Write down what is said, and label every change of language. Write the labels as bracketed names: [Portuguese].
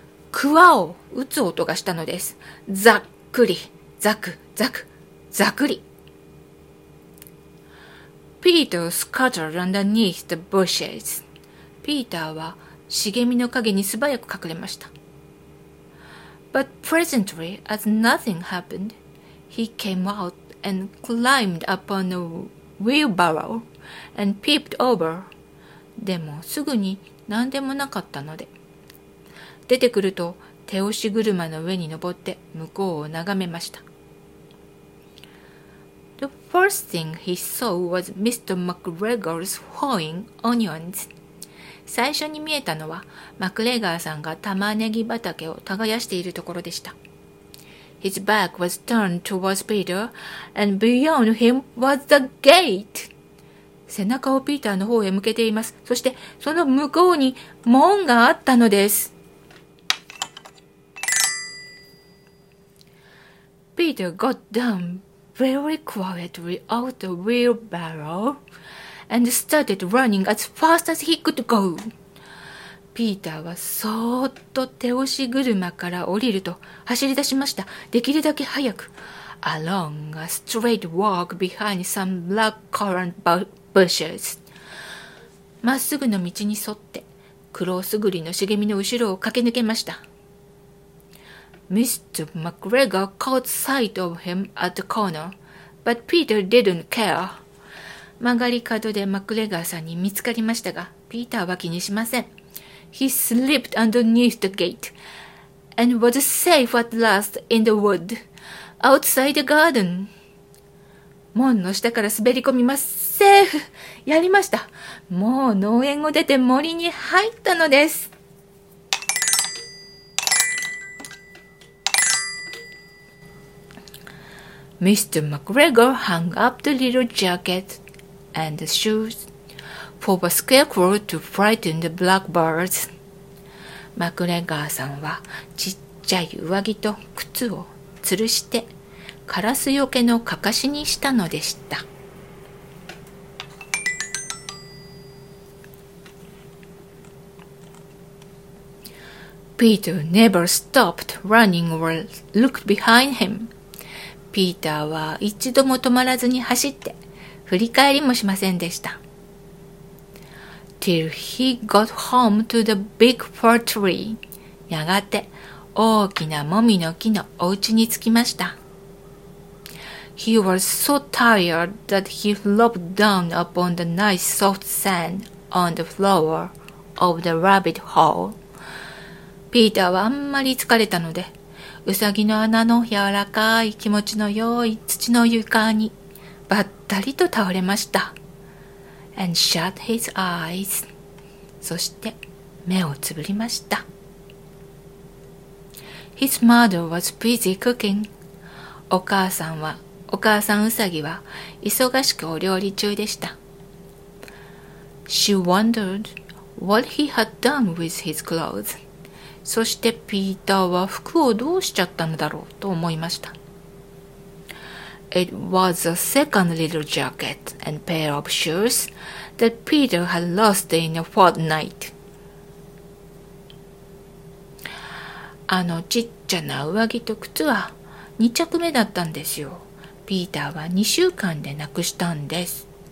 [Japanese] クワを打つ音がしたのです。ざっくり、ざく、ざく、ざくり。 [English] Peter scuttered underneath the bushes. [Japanese] ピーターは茂みの陰に素早く隠れました。 [English] But presently, as nothing happened, he came out and climbed upon a wheelbarrow and peeped over. [Japanese] でもすぐに何でもなかったので。出てくると手押し車の上に登って向こうを眺めました。 [English] The first thing he saw was Mr. McGregor's hoeing onions. [Japanese] 最初に見えたのはマクレガーさんが玉ねぎ畑を耕しているところでした。 [English] His back was turned towards Peter, and beyond him was the gate. [Japanese] 背中をピーターの方へ向けています。そしてその向こうに門があったのです。 [English] Peter got down very quietly out the wheelbarrow and started running as fast as he could go. [Japanese] ピーターはそーっと手押し車から降りると走り出しました。できるだけ早く。 [English] Along a straight walk behind some black currant bushes. [Japanese] まっすぐの道に沿って、クロスグリの茂みの後ろを駆け抜けました。 [English] Mr. McGregor caught sight of him at the corner, but Peter didn't care. [Japanese] 曲がり角でマクレガーさんに見つかりましたが、ピーターは気にしません。 [English] He slipped underneath the gate and was safe at last in the wood, outside the garden. [Japanese] 門の下から滑り込みます。セーフ!やりました。もう農園を出て森に入ったのです。 [English] Mr. McGregor hung up the little jacket and the shoes for the scarecrow to frighten the blackbirds. [Japanese] マクレガーさんはちっちゃい上着と靴を吊るしてカラスよけのかかしにしたのでした。 [English] Peter never stopped running or looked behind him. [Japanese] ピーターは一度も止まらずに走って、振り返りもしませんでした。 [English] Till he got home to the big fir tree. [Japanese] やがて、大きなもみの木のお家に着きました。 [English] He was so tired that he flopped down upon the nice soft sand on the floor of the rabbit hole. [Japanese] ピーターはあんまり疲れたので、ウサギの穴の柔らかい気持ちの良い土の床にばったりと倒れました。 [English] And shut his eyes. [Japanese] そして目をつぶりました。 [English] His mother was busy cooking. [Japanese] お母さんウサギは忙しくお料理中でした。 [English] She wondered what he had done with his clothes. [Japanese] そしてピーターは服をどうしちゃったのだろうと思いました。 [English] It was a second little jacket and pair of shoes that Peter had lost in a fortnight. [Japanese] あのちっちゃな上着と靴は2着目だったんですよ。ピーターは2週間でなくしたんです。